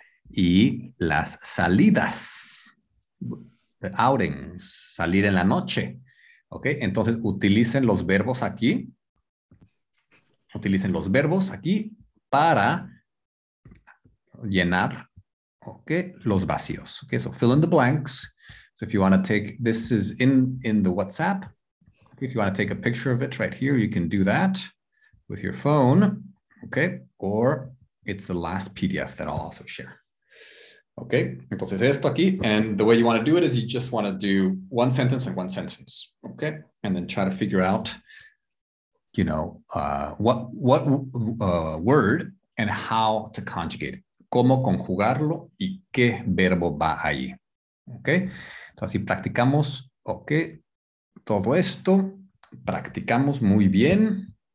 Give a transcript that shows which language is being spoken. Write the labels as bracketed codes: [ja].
[es] Y las salidas. [en] The outings, [es] salir en la noche. Ok, entonces utilicen los verbos aquí. Utilicen los verbos aquí para llenar, ok, los vacíos. [en] Ok, so fill in the blanks. So if you want to take, this is in the WhatsApp. If you want to take a picture of it right here, you can do that with your phone, okay? Or it's the last PDF that I'll also share. Okay, [es] entonces esto aquí, [en] and the way you want to do it is you just want to do one sentence and one sentence, okay? And then try to figure out, you know, what word and how to conjugate it. [es] ¿Cómo conjugarlo y qué verbo va ahí? Okay, entonces así practicamos, ok, todo esto, practicamos muy bien.